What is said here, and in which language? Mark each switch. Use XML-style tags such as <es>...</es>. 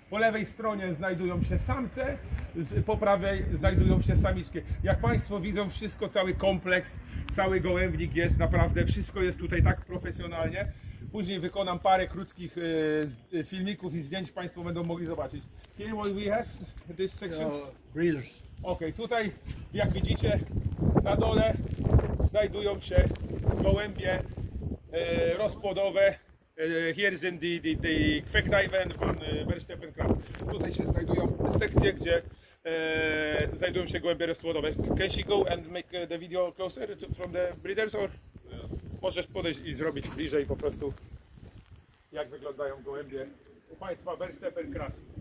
<pl>Po lewej stronie znajdują się samce, po prawej znajdują się samiczki. Jak Państwo widzą, wszystko, cały kompleks, cały gołębnik jest naprawdę, wszystko jest tutaj tak profesjonalnie. Później wykonam parę krótkich filmików i zdjęć, Państwo będą mogli zobaczyć.</pl> <en>Here what we have, this section? Breeders.</en> <pl>Okay, tutaj jak widzicie na dole znajdują się gołębie rozpłodowe.</pl> <en>Here's in the Kvekdiven van Verstappen Kras.</en> <pl>Tutaj się znajdują sekcje, gdzie znajdują się gołębie rozpłodowe.</pl> <en>Can she go and make the video closer to, from the breeders? Or?</en> <pl>Możesz podejść i zrobić bliżej po prostu, jak wyglądają gołębie u Państwa Verstappen Kras.</pl>